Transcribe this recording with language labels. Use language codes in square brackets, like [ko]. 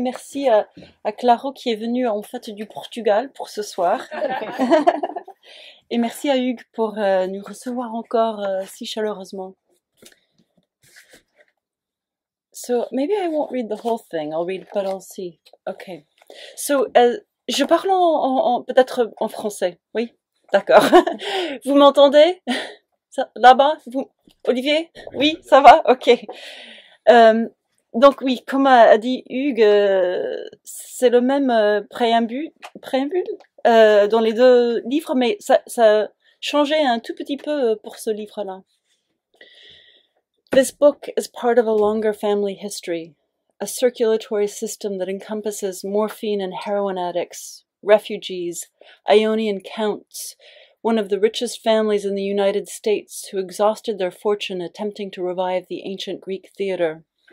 [fr] Merci à Claro qui est venu en fait du Portugal pour ce soir. Et merci à Hugues pour nous recevoir encore si chaleureusement. [en] So maybe I won't read the whole thing. I'll read, but I'll see. Okay. [fr] So je parle en peut-être en français. Oui, d'accord. Vous m'entendez là-bas, vous, Olivier? Oui, ça va. Okay. Donc oui, comme a dit Hugues, c'est le même préambule dans les deux livres, mais ça a changé un tout petit peu pour ce livre-là. [en] This book is part of a longer family history, a circulatory system that encompasses morphine and heroin addicts, refugees, Ionian counts, one of the richest families in the United States who exhausted their fortune attempting to revive the ancient Greek theater.